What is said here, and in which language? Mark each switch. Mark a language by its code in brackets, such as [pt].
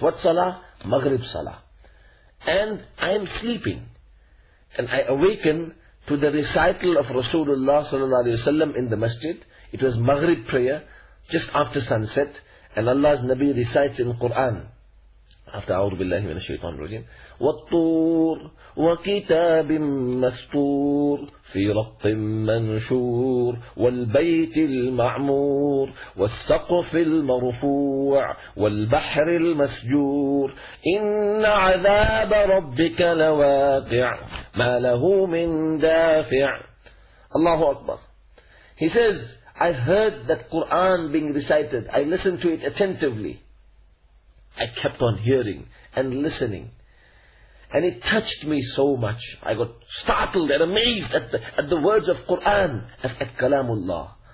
[en] What salah? Maghrib salah. And I am sleeping. And I awaken to the recital of Rasulullah sallallahu alayhi wa sallam in the masjid. It was Maghrib prayer, just after sunset. And Allah's Nabi recites in Quran, [ar] حتى أعوذ بالله من الشيطان الرجيم. والطور وكتاب مسطور في رق منشور والبيت المعمور والسقف المرفوع والبحر المسجور إن عذاب ربك لواقع ما له من دافع. الله أكبر. [en] He says, I heard that Quran being recited. I listened to it attentively. I kept on hearing and listening. And it touched me so much. I got startled and amazed at the words of Quran, at Kalamullah.